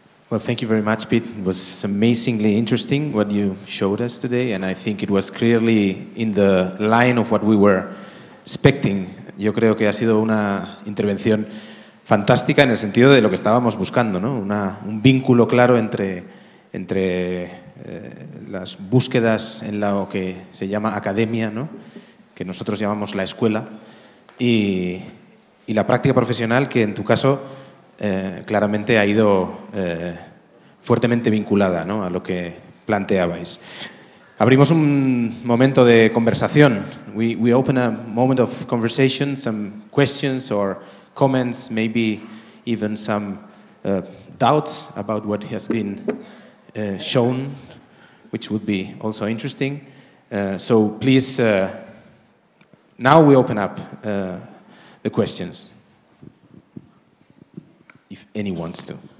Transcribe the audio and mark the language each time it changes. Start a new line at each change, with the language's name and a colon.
English: Well, thank you very much, Pete. It was amazingly interesting what you showed us today, and I think it was clearly in the line of what we were expecting.
Spanish: Yo creo que ha sido una intervención fantástica en el sentido de lo que estábamos buscando, ¿no? Un vínculo claro entre las búsquedas en lo que se llama academia, ¿no? Que nosotros llamamos la escuela, y la práctica profesional, que en tu caso claramente ha ido fuertemente vinculada, ¿no? A lo que planteabais. Abrimos un momento de conversación.
English: We open a moment of conversation, some questions or comments, maybe even some doubts about what has been shown, which would be also interesting. So please, now we open up the questions, if any wants to.